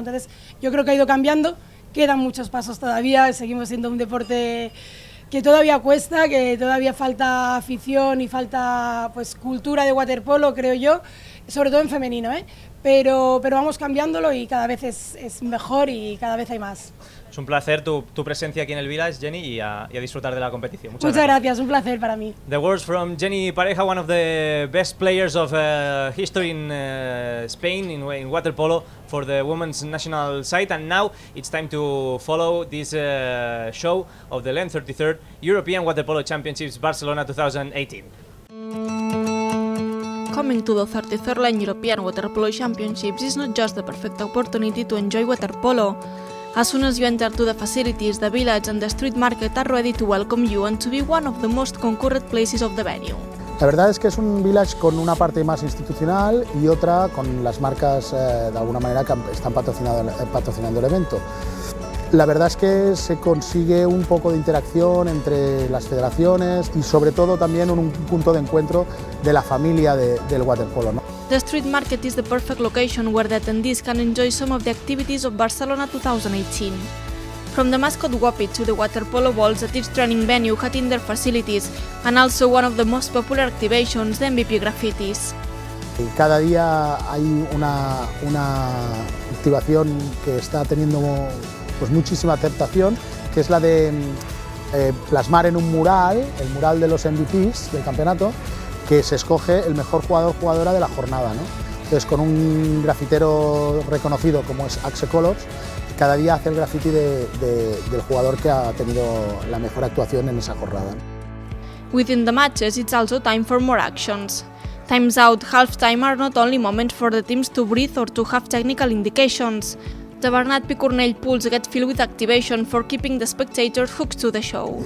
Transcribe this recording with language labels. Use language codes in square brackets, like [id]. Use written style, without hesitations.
[es] Entonces yo creo que ha ido cambiando, quedan muchos pasos todavía, seguimos siendo un deporte que todavía cuesta, que todavía falta afición y falta pues cultura de waterpolo, creo yo, sobre todo en femenino, ¿eh? Pero vamos cambiándolo y cada vez es mejor y cada vez hay más. Es un placer tu presencia aquí en el Village, Jenny, y a disfrutar de la competición. Muchas gracias, un placer para mí. [en] The words from Jenny Pareja, one of the best players of history in Spain, in water polo, for the women's national side. And now it's time to follow this show of the LEN 33rd European Water Polo Championships Barcelona 2018. Coming to the 33rd LEN European Water Polo Championships is not just the perfect opportunity to enjoy water polo. As soon as you enter to the facilities, the village and the street market are ready to welcome you and to be one of the most concurrent places of the venue. [es] La verdad es que es un village con una parte más institucional y otra con las marcas de alguna manera que están patrocinando el evento. La verdad es que se consigue un poco de interacción entre las federaciones y sobre todo también un punto de encuentro de la familia del waterpolo, ¿no? [en] The street market is the perfect location where the attendees can enjoy some of the activities of Barcelona 2018. From the mascot Whoppy to the water polo balls at each training venue had indoor facilities, and also one of the most popular activations, the MVP graffitis. [es] Cada día hay una activación que está teniendo pues muchísima aceptación, que es la de plasmar en un mural, el mural de los MVPs del campeonato, que se escoge el mejor jugador jugadora de la jornada, ¿no? Entonces, con un grafitero reconocido como es Axe Colors, cada día hace el graffiti del jugador que ha tenido la mejor actuación en esa jornada. [en] Within the matches, it's also time for more actions. Times out, halftime are not only moments for the teams to breathe or to have technical indications. The Bernat Picornell pools get filled with activation for keeping the spectators hooked to the show.